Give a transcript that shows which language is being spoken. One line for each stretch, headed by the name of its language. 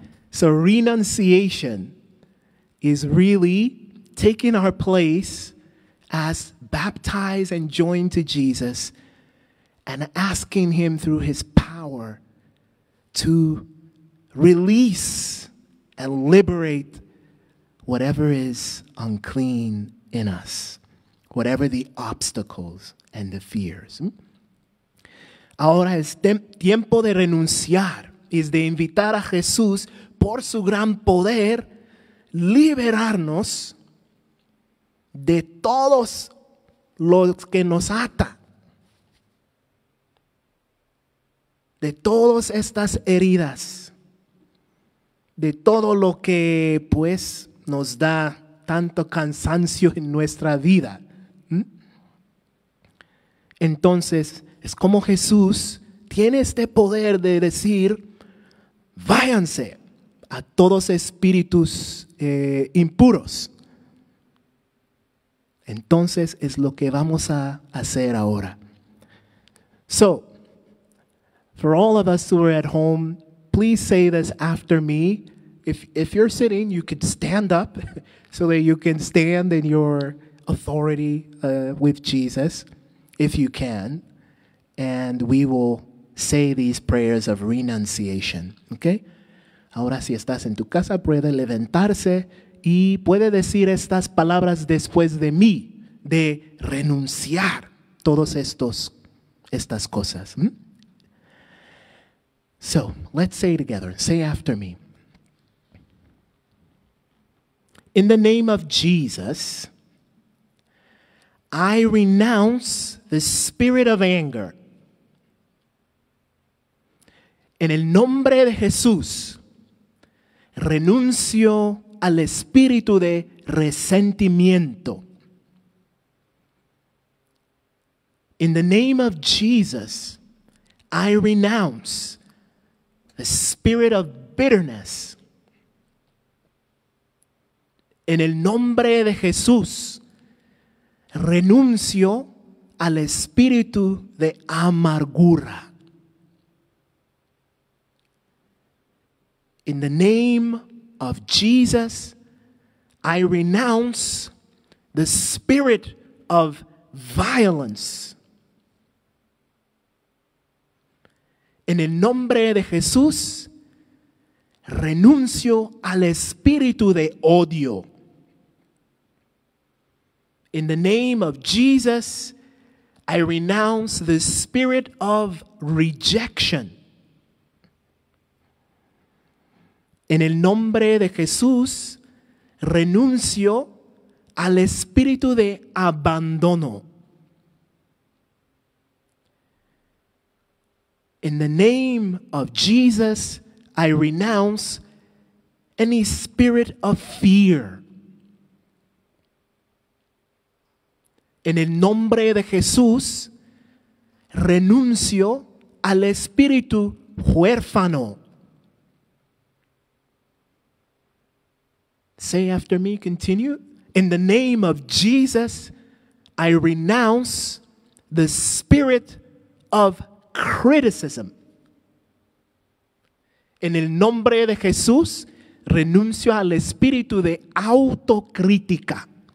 English: So renunciation is really taking our place as baptized and joined to Jesus and asking him through his power to release and liberate whatever is unclean in us, whatever the obstacles and the fears.
Spanish: Ahora es tiempo de renunciar, es de invitar a Jesús por su gran poder liberarnos de todos los que nos ata, de todas estas heridas, de todo lo que pues nos da tanto cansancio en nuestra vida. Entonces, es como Jesús tiene este poder de decir, váyanse a todos espíritus impuros. Entonces es lo que vamos a hacer ahora.
English: So, for all of us who are at home, please say this after me. If you're sitting, you could stand up so that you can stand in your authority with Jesus, if you can. And we will say these prayers of renunciation, okay?
Spanish: Ahora si estás en tu casa, puede levantarse y puede decir estas palabras después de mí, de renunciar todos estos, estas cosas.
English: So, let's say together. Say after me. In the name of Jesus, I renounce the spirit of anger.
Spanish: En el nombre de Jesús, renuncio al espíritu de resentimiento.
English: In the name of Jesus, I renounce the spirit of bitterness.
Spanish: En el nombre de Jesús, renuncio al espíritu de amargura.
English: In the name of Jesus, I renounce the spirit of violence.
Spanish: En el nombre de Jesús, renuncio al espíritu de odio.
English: In the name of Jesus, I renounce the spirit of rejection.
Spanish: En el nombre de Jesús, renuncio al espíritu de abandono.
English: In the name of Jesus, I renounce any spirit of fear.
Spanish: En el nombre de Jesús, renuncio al espíritu huérfano.
English: Say after me, continue. In the name of Jesus, I renounce the spirit of criticism.
Spanish: En el nombre de Jesús, renuncio al espíritu de autocrítica.